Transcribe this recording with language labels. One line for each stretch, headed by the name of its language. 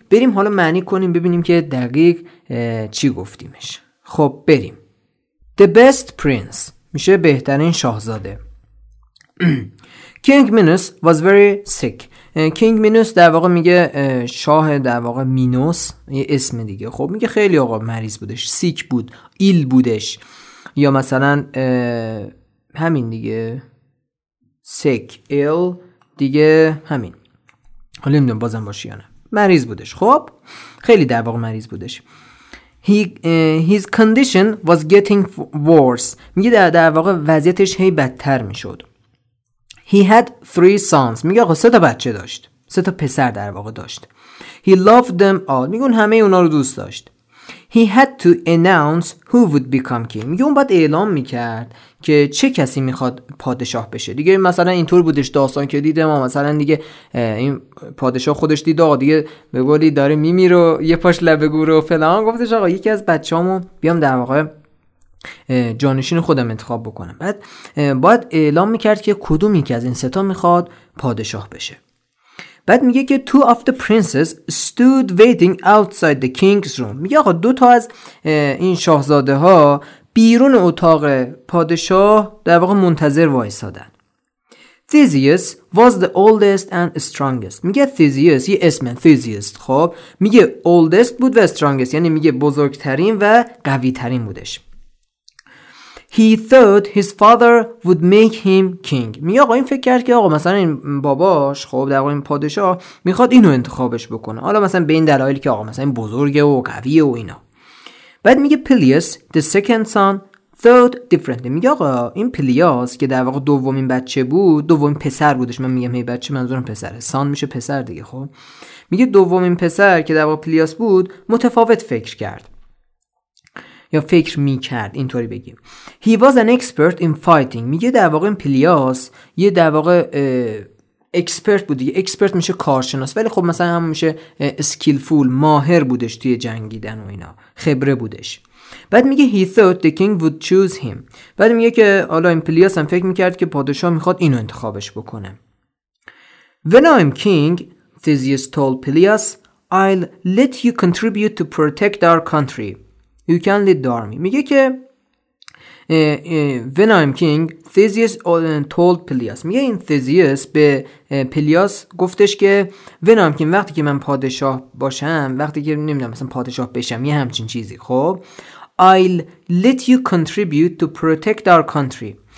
Persian: بریم حالا معنی کنیم ببینیم که دقیق چی گفتیمش. خب بریم.
English: The best prince
Persian: میشه بهترین شاهزاده.
English: King Minos was very sick.
Persian: King Minos در واقع میگه شاه در واقع مینوس، یه اسم دیگه. خب میگه خیلی آقا مریض بودش، سیک بود، ایل بودش، یا مثلا همین دیگه سیک ایل دیگه همین، حالا نمیدونم بازم باشه یا نه، مریض بودش. خب خیلی در واقع مریض بودش.
English: His condition was getting worse.
Persian: میگه در واقع وضعیتش هی بدتر میشد.
English: He had 3 sons.
Persian: میگه آقا 3 تا بچه داشت، 3 تا پسر در واقع داشت.
English: He loved them all.
Persian: میگه اون همه اونا رو دوست داشت.
English: He had to announce who would become king.
Persian: میگه اون باید اعلام میکرد که چه کسی میخواد پادشاه بشه. دیگه مثلا اینطور بودش داستان که دیده ما مثلا دیگه این پادشاه خودش دیده آقا دیگه به قولی داره میمیره یه پاش لبه گور و فلان، گفتش آقا یکی از بچه‌هامو بیام در واقع جانشین خودم انتخاب بکنم. بعد باید اعلام میکرد که کدوم یکی از این سه تا میخواد پادشاه بشه. بعد میگه که
English: two of the princes stood waiting outside the king's room.
Persian: میگه آقا دو تا از این شاهزاده ها بیرون اتاق پادشاه در واقع منتظر وایسادن.
English: Theseus was the oldest and strongest.
Persian: میگه Theseus یه اسمه، Theseus خب میگه oldest بود و strongest یعنی میگه بزرگترین و قوی ترین بودش.
English: He thought his father would make him king.
Persian: میگه آقا این فکر کرد که آقا مثلا این باباش خب در واقع این پادشاه میخواد اینو انتخابش بکنه. حالا مثلا به این دلایلی که آقا مثلا این بزرگه و قویه و اینا. بعد میگه
English: Peleus the second son thought differently.
Persian: میگه آقا این Peleus که در واقع دومین بچه بود، دومین پسر بودش، من میگم هی بچه منظورم پسره، سان میشه پسر دیگه خب. میگه دومین پسر که در واقع Peleus بود متفاوت فکر کرد. یا فکر میکرد اینطوری بگیم.
English: He was an expert in fighting.
Persian: میگه در واقع این پلیاس یه در واقع اکسپرت بود دیگه. اکسپرت میشه کارشناس، ولی خب مثلا هم میشه skillful، ماهر بودش توی جنگیدن و اینا، خبره بودش. بعد میگه
English: He thought the king would choose him.
Persian: بعد میگه که حالا این پلیاس هم فکر میکرد که پادشاه میخواد اینو انتخابش بکنه.
English: When I'm king, Theseus told Peleus, I'll let you contribute to protect our country. You can lead the army.
Persian: میگه که
English: when I'm king, Theseus told Peleus.
Persian: میگه این Theseus به Peleus گفتش که
English: when I'm king،
Persian: وقتی که من پادشاه باشم، وقتی که نمیدونم مثلا پادشاه بشم یه همچین چیزی، خب
English: I'll let you contribute to protect our country.